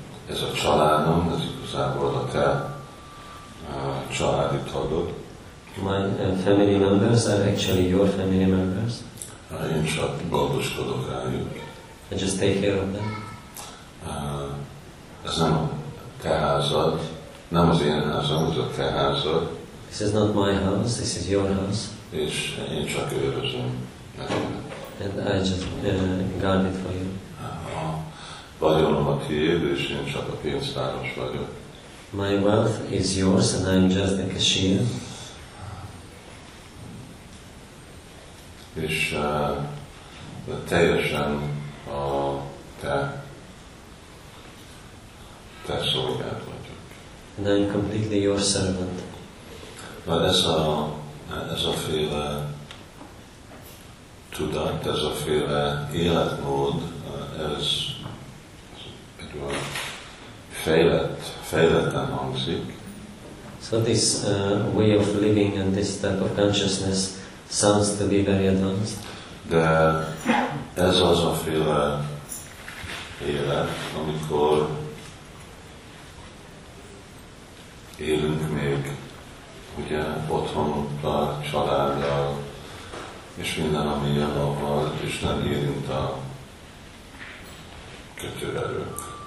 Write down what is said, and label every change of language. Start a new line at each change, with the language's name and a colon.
Hungarian: Ez a családom, ez igazából a te családi tagod.
English: My family members are actually your family members.
Hungarian: Én csak gondoskodok rájuk.
English: I just take care of them.
Hungarian: Ez nem a te házad, nem az én házam, ez a te házad.
English: This is not my house, this is your house.
Hungarian: És én csak őrözöm.
English: And I just guard it for you.
Hungarian: Vagyonom a tiéd, és én csak a pénztáros vagyok.
English: My wealth is yours, and I'm just a cashier.
Hungarian: És teljesen a te szolgád vagyok.
English: And I'm completely your servant.
Hungarian: Na ez a féle tudat, ez a féle életmód, ez egy olyan fejletten hangzik.
English: So this way of living and this type of consciousness sounds to be very advanced.
Hungarian: De ez az a féle élet, amikor élünk még ugye otthonokkal, családdal, és minden, ami jön avval, és nem érint a kötőerők.